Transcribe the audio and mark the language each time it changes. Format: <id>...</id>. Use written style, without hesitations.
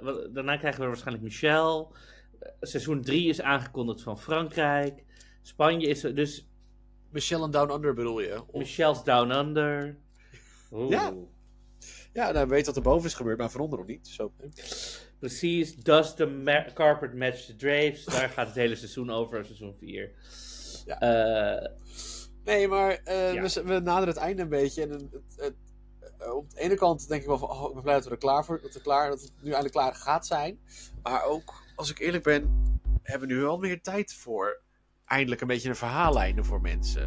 <nl>Daarna krijgen we waarschijnlijk Michelle. Seizoen 3 is aangekondigd van Frankrijk. Spanje is er. Dus... Michelle en Down Under bedoel je? Of... Michelle's Down Under. Oeh. Ja. Ja, nou, weet wat er boven is gebeurd, maar van onder nog niet. Zo. Precies.</nl> <en>Does the carpet match the drapes?</en> <nl>Daar gaat het hele seizoen over, seizoen 4. Ja. We naderen het einde een beetje. En het... Op de ene kant denk ik wel van, ik ben blij dat we er klaar voor zijn, dat het nu eindelijk klaar gaat zijn. Maar ook, als ik eerlijk ben, hebben we nu wel meer tijd voor eindelijk een beetje een verhaallijn voor mensen.</nl>